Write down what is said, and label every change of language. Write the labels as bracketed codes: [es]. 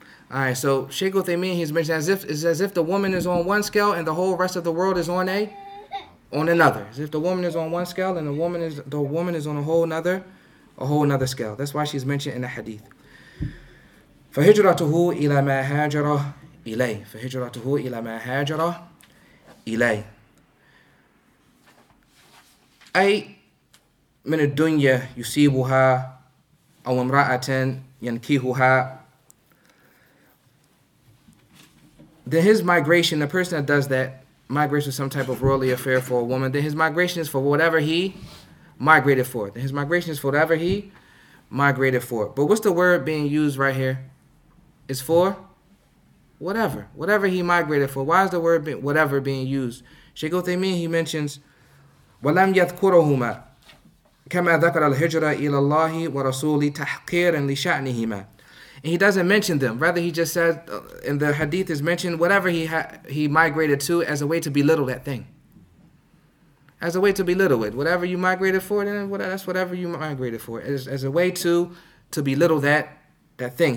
[en] Alright, so Shaykh Uthaymeen, he's mentioned as if the woman is on one scale and the whole rest of the world is on another. As if the woman is on one scale and the woman is on a whole nother scale. That's why she's mentioned in the hadith. [ar] فَهِجْرَتُهُ إِلَى مَا هَاجَرَ إِلَيْهِ فَهِجْرَتُهُ إِلَى مَا هَاجَرَ إِلَيْهِ أي من الدنيا يسيبها أو امرأة ينكيهها. [en] Then his migration, the person that does that, migrates with some type of worldly affair for a woman, then his migration is for whatever he migrated for. His migration is for whatever he migrated for. But what's the word being used right here? It's for whatever. Whatever he migrated for. Why is the word whatever being used? [ar] Shaykh Uthaymeen, [en] he mentions, [ar] وَلَمْ يَذْكُرُهُمَا كَمَا ذَكَرَ الْهِجْرَ إِلَى اللَّهِ وَرَسُولِ تَحْقِيرًا لِشَأْنِهِمَا. [en] And he doesn't mention them. Rather, he just says, and the hadith is mentioned, whatever he migrated to as a way to belittle that thing. As a way to belittle it. Whatever you migrated for, then that's whatever you migrated for. As a way to belittle that thing.